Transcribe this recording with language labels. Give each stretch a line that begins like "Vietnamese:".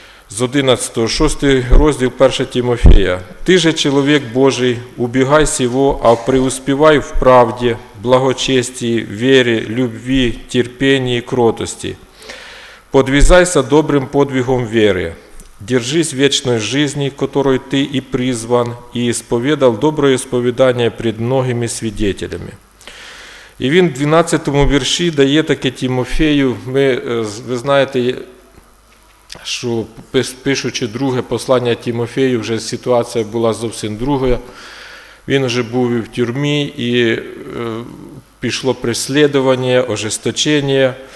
Ukrainian: З 11, 6 розділ, 1 Тимофія. Ти же чоловік Божий, убігай сего, а преуспівай в правді, благочесті, вірі, любві, терпінні і кротості. Подвізайся добрим подвигом вірі.
Russian: Держись вечной жизни, которой ты и призван, и исповедал доброе исповедание пред многими свидетелями.
Ukrainian: И він в 12 вірші дає таке Тимофею, ви знаєте, що пишучи друге послання Тимофею, вже ситуація була зовсім друга. Він вже був в тюрмі, і пішло преслідування, ожесточення.